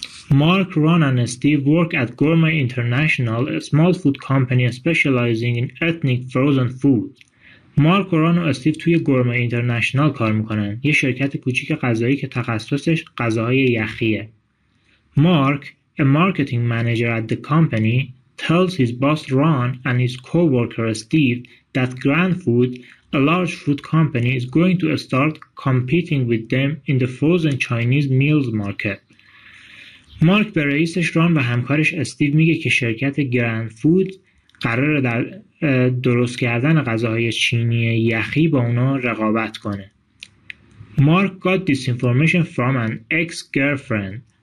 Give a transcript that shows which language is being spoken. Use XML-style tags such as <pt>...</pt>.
<en>Mark, Ron and Steve work at Gourmet International, a small food company specializing in ethnic frozen food.</en> <fa>Mark, Ron و Steve توی گورمه اینترنشنال کار میکنن. یه شرکت کوچیک غذایی که تخصصش غذاهای یخیه.</fa> <en>Mark, a marketing manager at the company, tells his boss Ron and his co-worker Steve that Grand Food, a large food company, is going to start competing with them in the frozen Chinese meals market.</en> <fa>Mark به رئیسش ران و همکارش استیو میگه که شرکت گراند فود قراره در درست کردن غذاهای چینی یخی با اونا رقابت کنه.</fa> <en>Mark got this information from an ex-girlfriend.</en>